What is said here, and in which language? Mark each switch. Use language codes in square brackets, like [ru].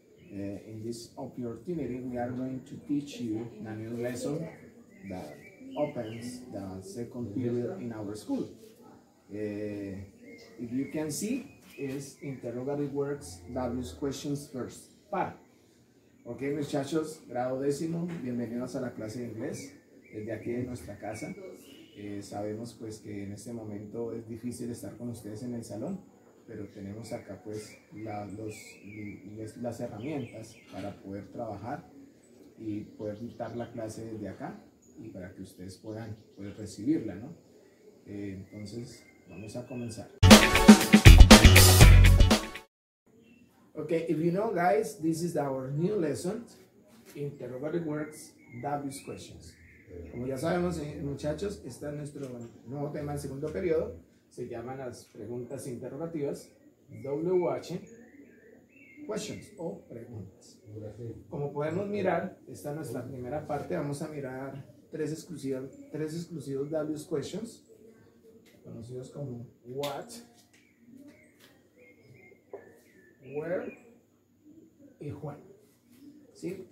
[en] In this opportunity, we are going to teach you a new lesson that opens the second period in our school. If you can see, it's interrogative words that use questions first. [es] Para. Ok, muchachos, grado décimo, bienvenidos a la clase de inglés desde aquí de nuestra casa. Sabemos pues que en este momento es difícil estar con ustedes en el salón, pero tenemos acá pues las herramientas para poder trabajar y poder dictar la clase desde acá y para que ustedes puedan pues, recibirla, ¿no? Entonces, vamos a comenzar. [en] Ok, if you know guys, this is our new lesson, Interrogative Words, W's Questions. [es] Como ya sabemos, muchachos, este es nuestro nuevo tema del segundo periodo. Se llaman las preguntas interrogativas, WH, questions o preguntas. Como podemos mirar, esta es nuestra primera parte. Vamos a mirar tres exclusivos W's questions, conocidos como what, where y when. ¿Sí?